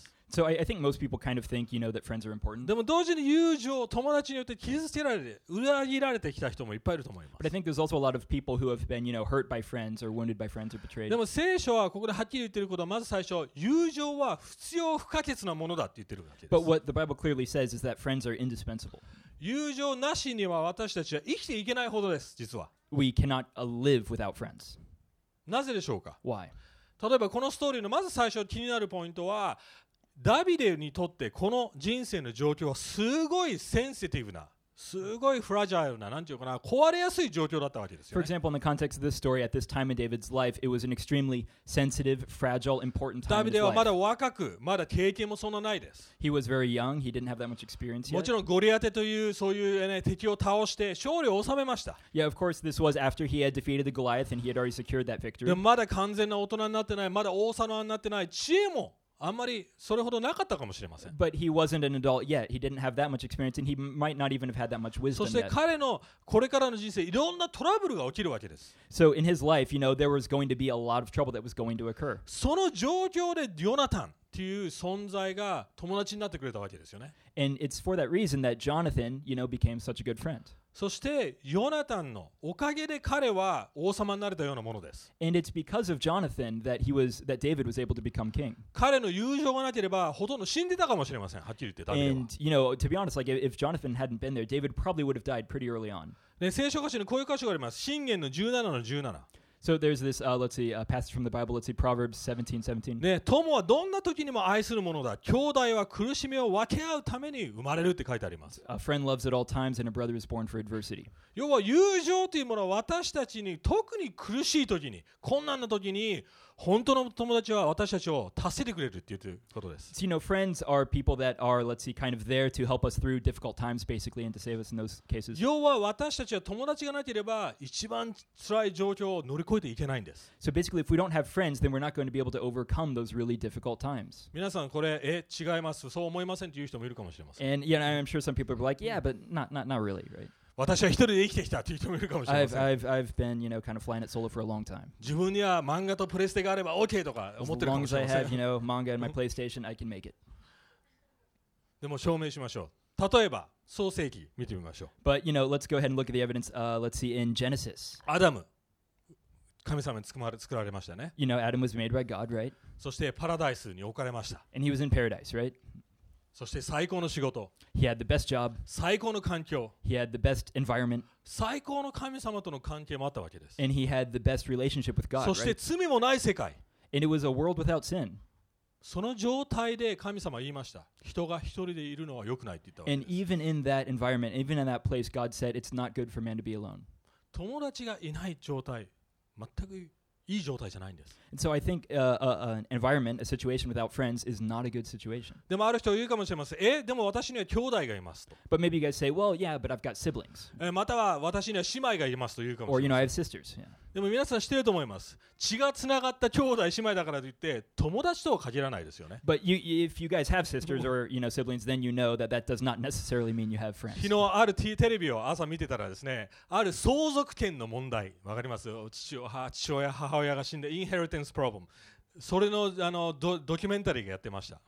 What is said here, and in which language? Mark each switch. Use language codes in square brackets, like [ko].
[en] So I think most people kind of think, you know, that friends are important. But I think there's also a lot of people who have been, you know, hurt by friends or wounded by friends or betrayed. But what the Bible clearly says is that friends are indispensable. [ja] 友情なしには私たちは生きていけないほどです実は [en] We cannot live without friends. [ja] なぜでしょうか [en] Why? [ja] 例えばこのストーリーのまず最初気になるポイントはダビデにとってこの人生の状況はすごいセンシティブなすごいフラジャイルななんていうかな壊れやすい状況だったわけですよね [en] For example, in the context of this story, at this time in David's life, it was an extremely sensitive, fragile, important time in his life. [ja] ダビデはまだ若く、まだ経験もそんなないです。 [en] He was very young, he didn't have that much experience yet. [ja] もちろんゴリアテというそういう、ね、敵を倒して勝利を収めました。 [en] Yeah, of course, this was after he had defeated the Goliath and he had already secured that victory. [ja] でもまだ完全な大人になってない、まだ王様になってない、知恵もあんまりそれほどなかったかもしれません。 [en] But he wasn't an adult yet. He didn't have that much experience, and he might not even have had that much wisdom yet. [ja] そして彼のこれからの人生、いろんなトラブルが起きるわけです。 [en] So in his life, you know, there was going to be a lot of trouble that was going to occur. [ja] その状況でヨナタンという存在が友達になってくれたわけですよね。 [en] And it's for that reason that Jonathan, you know, became such a good friend. [ja] そしてヨナタンのおかげで彼は王様になれたようなものです。 [en] And it's because of Jonathan that he was that David was able to become king. [ja] 彼の友情がなければほとんど死んでたかもしれません。はっきり言ってダビデは。 [en] And you know, to be honest, like if Jonathan hadn't been there, David probably would have died pretty early on. [ja] で、聖書箇所にこういう箇所があります。箴言の17の17。 [en] So there's this, let's see, a passage from the Bible. Let's see, Proverbs 17:17. [ja] 友はどんな時にも愛するものだ。兄弟は苦しみを分け合うために生まれるって書いてあります。 [en] A friend loves at all times, and a brother is born for adversity. [ja] 要は友情というものは私たちに特に苦しい時に、困難な時に、本当の友達は私たちを助けてくれるっていうことです。 [en] So, you know, friends are people that are, let's see, kind of there to help us through difficult times, basically, and to save us in those cases. [ja] 要は私たちは友達がなければ一番辛い状況を乗り越えていけないんです。 [en] So basically, if we don't have friends, then we're not going to be able to overcome those really difficult times. [ja] 皆さんこれ、え、違います。そう思いませんという人もいるかもしれません。 [en] And yeah, I'm sure some people are like, yeah, but not really, right? [ja] 私は一人で生きてきたという人もいるかもしれません。 [en] I've been, you know, kind of flying it solo for a long time. [ja] 自分には漫画とプレステがあれば OK とか思ってるかもしれません。 [en] As long as I have, you know, manga and my PlayStation, I can make it. [ja] でも証明しましょう。例えば、創世記見てみましょう。 [en] But, you know, let's go ahead and look at the evidence. Let's see, in Genesis. [ja] アダム。神様に作られましたね。 [en] You know, Adam was made by God, right? [ja] そしてパラダイスに置かれました。 [en] And he was in paradise, right? [ja] そして最高の仕事。 [en] He had the best job. [ja] 最高の環境。 [en] He had the best environment. [ja] 最高の神様との関係もあったわけです。 [en] And he had the best relationship with God. [ja] そして罪もない世界。 [en] And it was a world without sin. [ja] その状態で神様は言いました。人が一人でいるのは良くないって言ったわけです。 [en] And even in that environment, even in that place, God said it's not good for man to be alone. [ja] 友達がいない状態、全くいい状態じゃないんです。 [en] And so I think an environment, a situation without friends is not a good situation. [ja] でもある人は言うかもしれません。え、でも私には兄弟がいますと。 [en] But maybe you guys say, well, yeah, but I've got siblings. [ja] または私には姉妹がいますと言うかもしれません。 [en] Or, you know, I have sisters. Yeah. [ja] でも皆さん知ってると思います。血がつながった兄弟姉妹だからといって友達とは限らないですよね。 [en] But you, if you guys have sisters or, you know, siblings, then you know that that does not necessarily mean you have friends. [ja] 昨日あるテレビを朝見てたらですね、ある相続権の問題、わかります? 父親、母親が死んで、インヘリテンスproblem. それの、ドキュメンタリーがやってました。